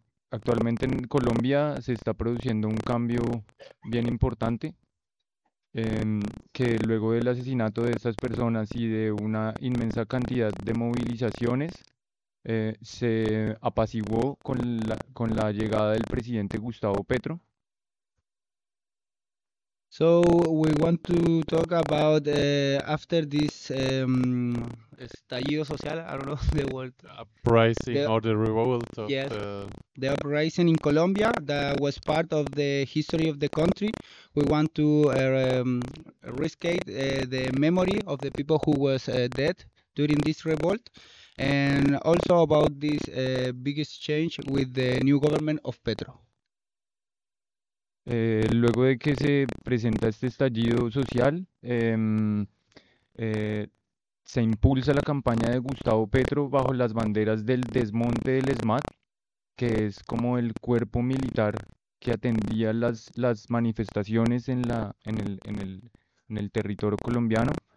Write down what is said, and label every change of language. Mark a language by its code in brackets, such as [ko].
[es] Actualmente en Colombia se está produciendo un cambio bien importante, que luego del asesinato de estas personas y de una inmensa cantidad de movilizaciones, se apaciguó con la llegada del presidente Gustavo Petro. [en] So we want to talk about after this estallido social, I don't know the word. The revolt. The uprising in Colombia that was part of the history of the country. We want to rescate the memory of the people who was dead during this revolt. And also about this biggest change with the new government of Petro. [es] Luego de que se presenta este estallido social, se impulsa la campaña de Gustavo Petro bajo las banderas del desmonte del ESMAD, que es como el cuerpo militar que atendía las manifestaciones en el territorio colombiano.